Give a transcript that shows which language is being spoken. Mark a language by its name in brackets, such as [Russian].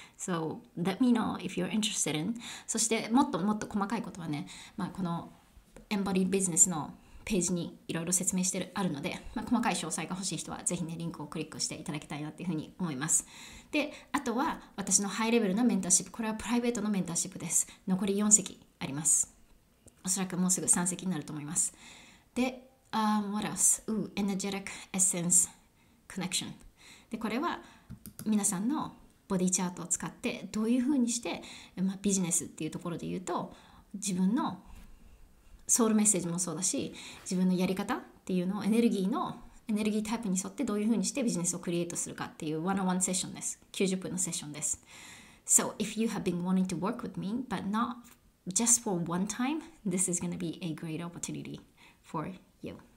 [English] So let me know if you're interested in. [Japanese] そしてもっともっと細かいことはね、まあ、このエンバリービジネスのページにいろいろ説明してあるので、まあ、細かい詳細が欲しい人はぜひね、リンクをクリックしていただきたいなっていうふうに思います。で、あとは私のハイレベルなメンターシップ、これはプライベートのメンターシップです。残り4席あります。おそらくもうすぐ3席になると思います。 [English] で、What else? Ooh, Energetic Essence Connection。 [Japanese] で、これは皆さんのボディチャートを使ってどういうふうにして、まあ、ビジネスっていうところで言うと、自分のソウルメッセージもそうだし、自分のやり方っていうのを、エネルギータイプに沿ってどういうふうにしてビジネスをクリエイトするかっていう1 on 1セッションです。 90分のセッションです。 [English] So if you have been wanting to work with me but not just for one time, this is gonna be a great opportunity for you.